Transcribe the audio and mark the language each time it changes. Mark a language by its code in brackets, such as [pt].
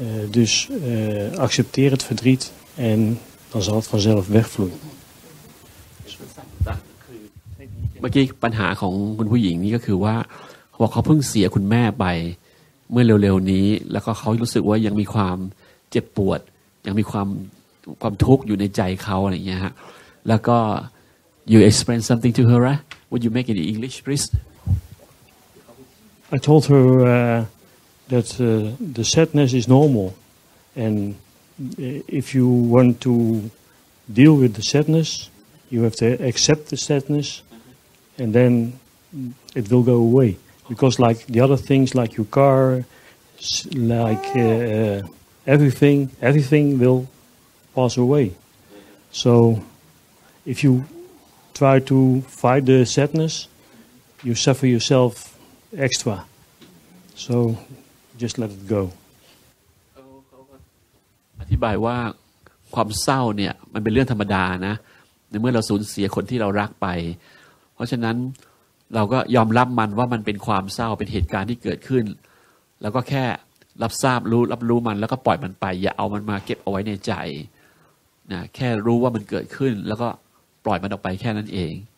[nl] Dus accepteer het verdriet en dan zal het vanzelf wegvloeien. [th] เมื่อกี้ปัญหาของคุณผู้หญิงนี่ก็คือว่าเขาเพิ่งเสียคุณแม่ไปเมื่อเร็วๆนี้แล้วก็เขารู้สึกว่ายังมีความเจ็บปวดยังมีความทุกข์อยู่ในใจเขาอะไรอย่างเงี้ยฮะแล้วก็ [en] you explain something to her right? Would you make it in English please I told her that the sadness is normal and if you want to deal with the sadness you have to accept the sadness and then it will go away because like the other things like your car like everything willpass away. So if you try to fight the sadness, you suffer yourself extra. So just let it go. [th] อธิบายว่าความเศร้าเนี่ยมันเป็นเรื่องธรรมดานะในเมื่อเราสูญเสียคนที่เรารักไปเพราะฉะนั้นเราก็ยอมรับมันว่ามันเป็นความเศร้าเป็นเหตุการณ์ที่เกิดขึ้นแล้วก็แค่รับทราบรับรู้มันแล้วก็ปล่อยมันไปอย่าเอามันมาเก็บเอาไว้ในใจนะแค่รู้ว่ามันเกิดขึ้นแล้วก็ปล่อยมันออกไปแค่นั้นเอง